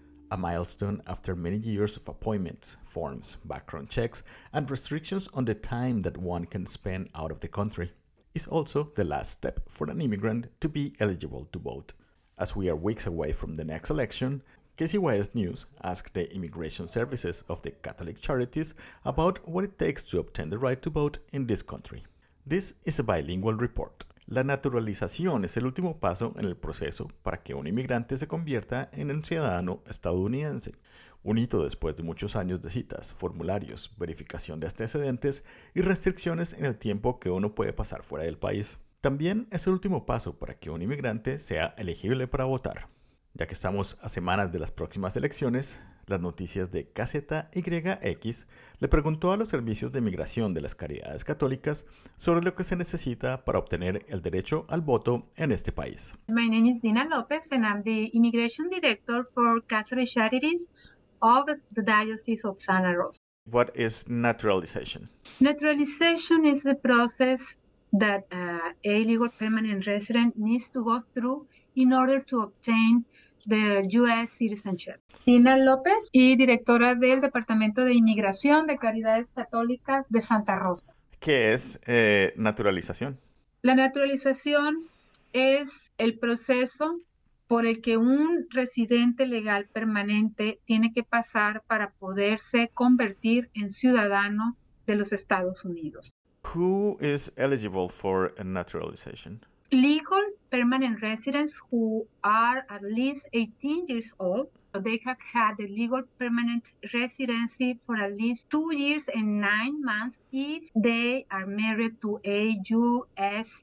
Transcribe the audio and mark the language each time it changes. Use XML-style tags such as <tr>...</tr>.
<en>A milestone after many years of appointments, forms, background checks, and restrictions on the time that one can spend out of the country, is also the last step for an immigrant to be eligible to vote. As we are weeks away from the next election, KCYS News asked the immigration services of the Catholic Charities about what it takes to obtain the right to vote in this country. This is a bilingual report.</en> <es>La naturalización es el último paso en el proceso para que un inmigrante se convierta en un ciudadano estadounidense, un hito después de muchos años de citas, formularios, verificación de antecedentes y restricciones en el tiempo que uno puede pasar fuera del país. También es el último paso para que un inmigrante sea elegible para votar. Ya que estamos a semanas de las próximas elecciones, las noticias de KZYX le preguntó a los servicios de migración de las caridades católicas sobre lo que se necesita para obtener el derecho al voto en este país.</es> <en>My name is Dina López and I'm the immigration director for Catholic Charities of the Diocese of Santa Rosa. What is naturalization? Naturalization is the process that a legal permanent resident needs to go through in order to obtain the U.S. citizenship.</en> <es>Dina López y directora del Departamento de Inmigración de Caridades Católicas de Santa Rosa. ¿Qué es naturalización? La naturalización es el proceso por el que un residente legal permanente tiene que pasar para poderse convertir en ciudadano de los Estados Unidos.</es> <en>Who is eligible for a naturalization? Legal permanent residents who are at least 18 years old, they have had the legal permanent residency for at least 2 years and 9 months if they are married to a U.S.</en>